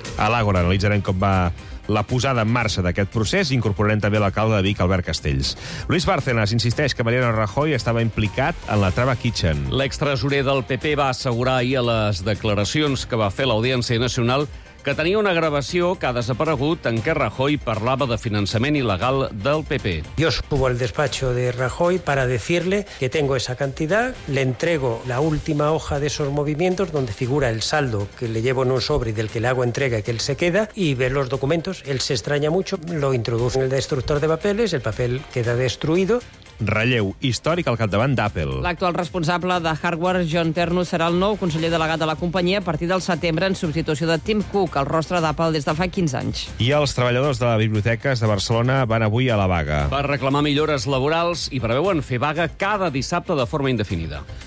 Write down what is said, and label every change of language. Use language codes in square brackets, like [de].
[ca] A l'Àgora analitzarem com va la posada en marxa d'aquest procés i incorporarem també l'alcalde de Vic, Albert Castells. Luis Bárcenas insisteix que Mariano Rajoy estava implicat en la trama Kitchen. L'extresorer del PP va assegurar ahir a les declaracions que va fer l'Audiència Nacional que tenia una gravació que ha desaparegut en què Rajoy parlava de finançament il·legal del PP. [es] Yo subo al despacho de Rajoy para decirle que tengo esa cantidad, le entrego la última hoja de esos movimientos donde figura el saldo que le llevo en un sobre y del que le hago entrega y que él se queda y ve los documentos, él se extraña mucho, lo introduce en el destructor de papeles, el papel queda destruido. [ca] Relleu històric al capdavant d'Apple. L'actual responsable de hardware, John Ternus, serà el nou conseller delegat de la companyia a partir del setembre en substitució de Tim Cook, el rostre d'Apple des de fa 15 anys. I els treballadors de les biblioteques de Barcelona van avui a la vaga. Per reclamar millores laborals i preveuen fer vaga cada dissabte de forma indefinida.